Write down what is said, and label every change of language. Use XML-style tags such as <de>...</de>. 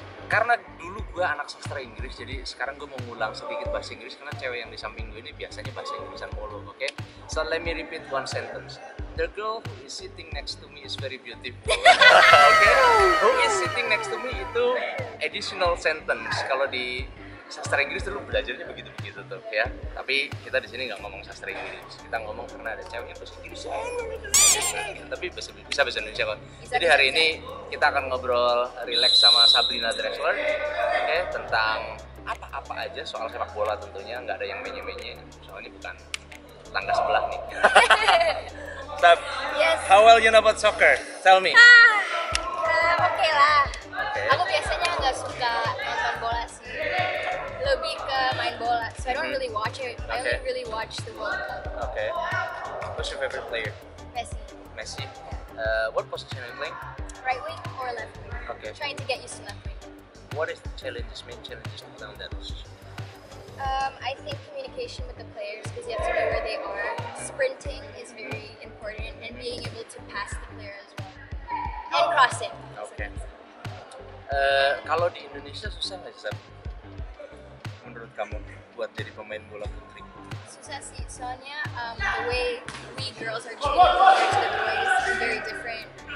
<id>Karena dulu gue anak sastra Inggris, jadi sekarang gue mau ngulang sedikit bahasa Inggris karena cewek yang di samping gue ini biasanya bahasa Inggrisan polo, oke?</id> <en>Okay? So let me repeat one sentence. The girl who is sitting next to me is very beautiful. Oke? Okay? Who is sitting next to me</en> <id>itu</id> <en>additional sentence.</en> <id>Kalau di sastra Inggris dulu belajarnya begitu-begitu tuh, ya. Tapi kita di sini nggak ngomong sastra Inggris. Kita ngomong karena ada cewek yang bahasa Inggris. Tapi bisa bahasa Indonesia kok. Jadi hari ini kita akan ngobrol relax sama Sabrina Drexler, okay, tentang apa-apa aja soal sepak bola tentunya, nggak ada yang menye-menye, soalnya bukan tangga sebelah nih.</id> <en>Sab, yes. How well you know about soccer? Tell me. Okay lah. Okay.</en> <id>Aku biasanya nggak suka nonton bola sih, lebih ke main bola.</id> <en>So I don't really watch it. Okay. I only really watch the World Cup. Okay. What's your favorite player? Messi. Messi. What position are you playing? Right wing or left wing? Okay. I'm trying to get used to left wing. What is the challenges, main challenges to play on that position? I think communication with the players, because you have to know where they are. Sprinting is very important, and being able to pass the player as well. And cross it.</en> <id>Okay. Kalau di Indonesia susah nggak sih, Sab? Menurut kamu buat jadi pemain bola putri? Susah sih, soalnya</id> <en>the way we girls are treated compared to the boys is very different.</en>